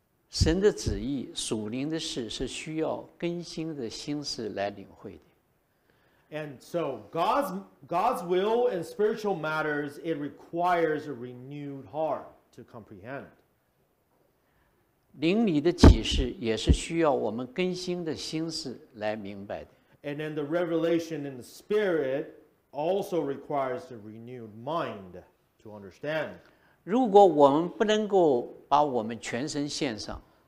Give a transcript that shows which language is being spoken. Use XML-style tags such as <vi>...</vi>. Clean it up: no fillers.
<zh>神的旨意，属灵的事，是需要更新的心思来领会的。</zh> <en>And so God's will in spiritual matters, it requires a renewed heart to comprehend.</en> <zh>灵里的启示也是需要我们更新的心思来明白的。</zh> <en>And then the revelation in the spirit also requires a renewed mind to understand.</en> <zh>如果我们不能够把我们全身献上，</zh>